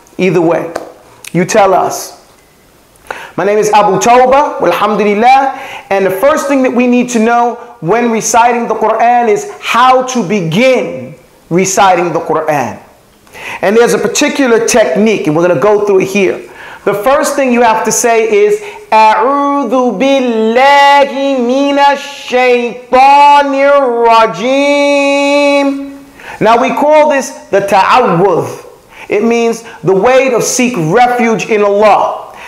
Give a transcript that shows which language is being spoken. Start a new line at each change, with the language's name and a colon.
English: Either way, you tell us. My name is Abu Toba, alhamdulillah. And the first thing that we need to know when reciting the Quran is how to begin reciting the Quran. And there's a particular technique, and we're going to go through it here. The first thing you have to say is,
Arabic: أعوذ بالله من الشيطان الرجيم.
English: Now we call this the ta'awudh. It means the way to seek refuge in Allah.